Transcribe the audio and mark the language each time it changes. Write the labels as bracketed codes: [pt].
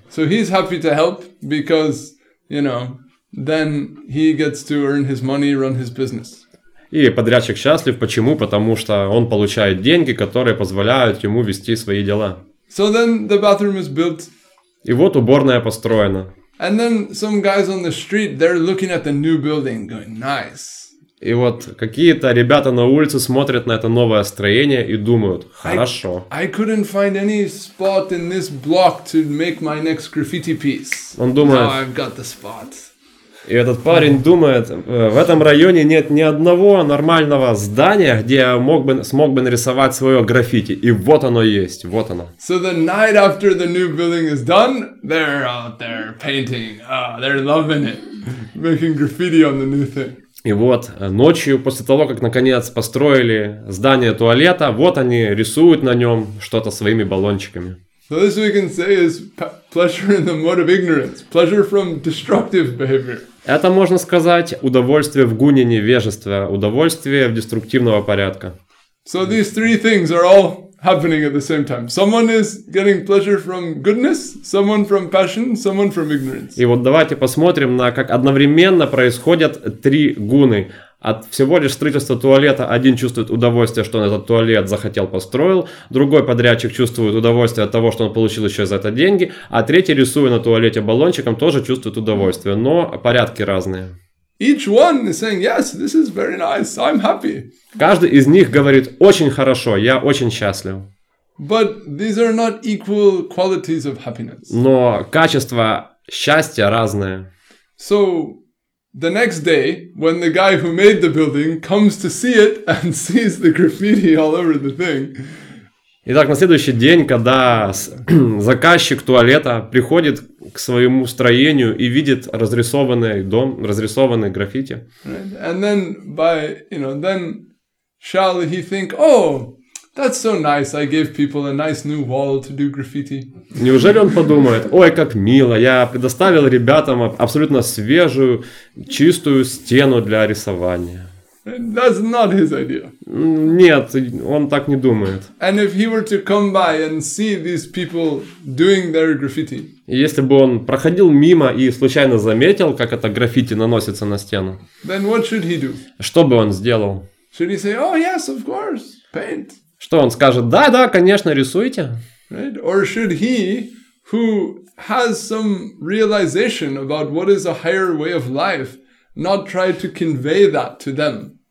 [en] So he's happy to help because, you know, then he gets to earn his money, run his business. [ru] И подрядчик счастлив, почему? Потому что он получает деньги, которые позволяют ему вести свои дела. [en] So then the bathroom is built. [ru] И вот уборная построена. [en] And then some guys on the street, they're looking at the new building, going, nice. [ru] И вот какие-то ребята на улице смотрят на это новое строение и думают, хорошо. [en] I couldn't find any spot in this block to make my next graffiti piece. [ru] Он думает. [en] Now I've got the spot. [ru] И этот парень думает, в этом районе нет ни одного нормального здания, где я смог бы нарисовать свое граффити. И вот оно есть, вот оно. [en] So the night after the new building is done, they're out there painting. They're loving it. Making graffiti on the new thing. [ru] И вот ночью, после того, как наконец построили здание туалета, вот они рисуют на нем что-то своими баллончиками. [en] So this we can say is pleasure in the mode of ignorance, pleasure from destructive behavior. [ru] Это можно сказать удовольствие в гуне невежества, удовольствие в деструктивного порядка. [en] So these three things are all happening at the same time. Someone is getting pleasure from goodness, someone from passion, someone from ignorance. [ru] И вот давайте посмотрим на как одновременно происходят три гуны. От всего лишь строительства туалета один чувствует удовольствие, что он этот туалет захотел, построил. Другой подрядчик чувствует удовольствие от того, что он получил еще за это деньги. А третий, рисуя на туалете баллончиком, тоже чувствует удовольствие. Но порядки разные. [en] Each one is saying, yes, this is very nice, I'm happy. [ru] Каждый из них говорит, очень хорошо, я очень счастлив. [en] But these are not equal qualities of happiness. [ru] Но качество счастья разное. [en] So... The next day, when the guy who made the building comes to see it and sees the graffiti all over the thing. [ru] Итак, на следующий день, когда заказчик туалета приходит к своему строению и видит разрисованный дом, разрисованный граффити. [en] Right. And then by, you know, then shall he think, oh, that's so nice, I gave people a nice new wall to do graffiti. [ru] Неужели он подумает, ой, как мило, я предоставил ребятам абсолютно свежую, чистую стену для рисования. [en] That's not his idea. [ru] Нет, он так не думает. [en] And if he were to come by and see these people doing their graffiti. [ru] Если бы он проходил мимо и случайно заметил, как это граффити наносится на стену. [en] Then what should he do? [ru] Что бы он сделал? [en] Should he say, oh yes, of course, paint. [ru] Что он скажет? Да, да, конечно, рисуйте. [en] Right? Or should he, who has some realization about what is a higher way of life, not try to convey that to them?